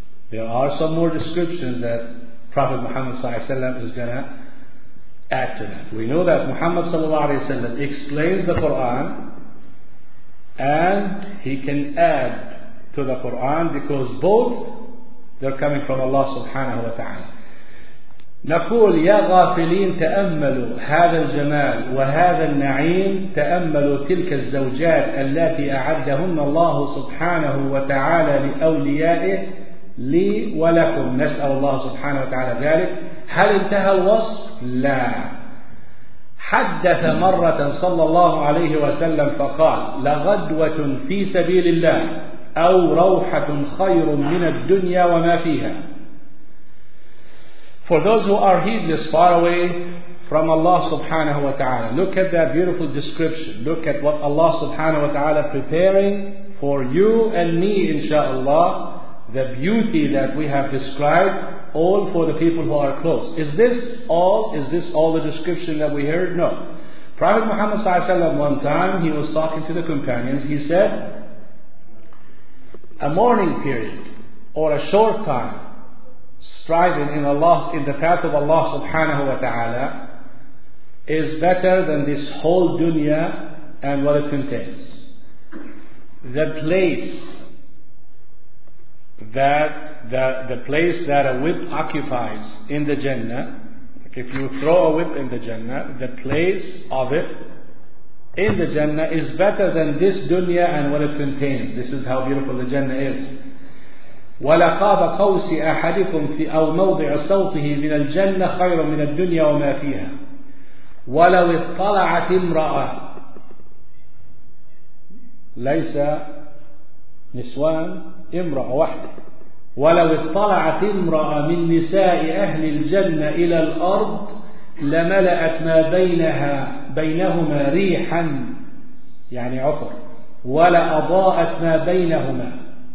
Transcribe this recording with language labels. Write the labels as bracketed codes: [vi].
[en] There are some more descriptions that Prophet Muhammad sallallahu alaihi wasallam is going to add to that. We know that Muhammad sallallahu alaihi wasallam explains the Quran, and he can add to the Quran because both they're coming from Allah subhanahu wa ta'ala. [ar] نقول يا غافلين تأملوا هذا الجمال وهذا النعيم تأملوا تلك الزوجات التي أعدهن الله سبحانه وتعالى لأوليائه لي ولكم. نسأل الله سبحانه وتعالى ذلك. هل انتهى الوصف؟ لا. حدث مرة صلى الله عليه وسلم فقال: لغدوة في سبيل الله أو روحة خير من الدنيا وما فيها. [en] For those who are heedless, far away from Allah subhanahu wa ta'ala. Look at that beautiful description. Look at what Allah subhanahu wa ta'ala preparing for you and me, inshaAllah. The beauty that we have described, all for the people who are close. Is this all the description that we heard? No. Prophet Muhammad sallallahu alayhi wa sallam, one time, he was talking to the companions. He said, a mourning period, or a short time, striving in Allah, in the path of Allah subhanahu wa ta'ala, is better than this whole dunya and what it contains. The place that the place that a whip occupies in the Jannah, if you throw a whip in the Jannah, the place of it in the Jannah is better than this dunya and what it contains. This is how beautiful the Jannah is. [ar] وَلَقَابَ قَوْسِ أَحَدِكُمْ فِي أَوْ مَوْضِعَ صَوْتِهِ مِنَ الْجَنَّةِ خَيْرٌ مِنَ الدُّنْيَا وَمَا فِيهَا وَلَوِ اطَّلَعَتِ امْرَأَةٌ لَيْسَ نِسْوَان امْرَأَةٌ وَحْدَةٌ وَلَوِ اطَّلَعَتِ امْرَأَةٌ مِنْ نِسَاءِ أَهْلِ الْجَنَّةِ إِلَى الْأَرْضِ لَمَلَأَتْ مَا بَيْنَهَا بَيْنَهُمَا رِيحًا يعني عطر وَلَأَضَاءَتْ مَا بَيْنَهُمَا